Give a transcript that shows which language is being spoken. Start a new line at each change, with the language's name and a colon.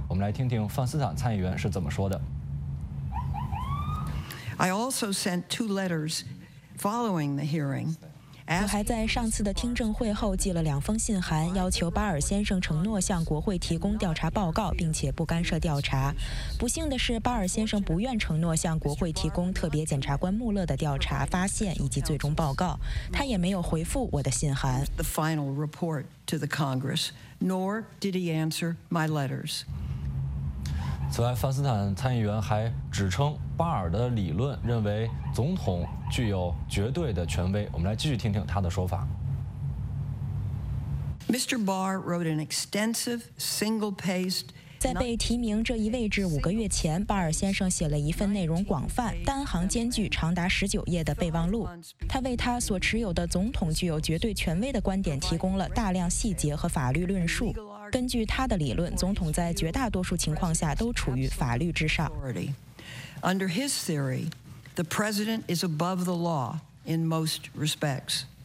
Chinese: 我们来听听范斯坦参议员是怎么说的。
English: I also sent two letters following the hearing.
Chinese: 我还在上次的听证会后寄了两封信函，要求巴尔先生承诺向国会提供调查报告，并且不干涉调查。不幸的是，巴尔先生不愿承诺向国会提供特别检察官穆勒的调查发现以及最终报告，他也没有回复我的信函。
English: The final report to the Congress, nor did he answer my letters.
Chinese: 此外，范斯坦参议员还指称巴尔的理论认为总统具有绝对的权威。我们来继续听听他的说法。
English: Mr. Barr wrote an extensive, single-paced.
Chinese: 在被提名这一位置五个月前，巴尔先生写了一份内容广泛、单行间距长达19页的备忘录。他为他所持有的总统具有绝对权威的观点提供了大量细节和法律论述。根据他的理论，总统在绝大多数情况下都处于法律之上。
English: Under his theory, the president is above the law in most respects.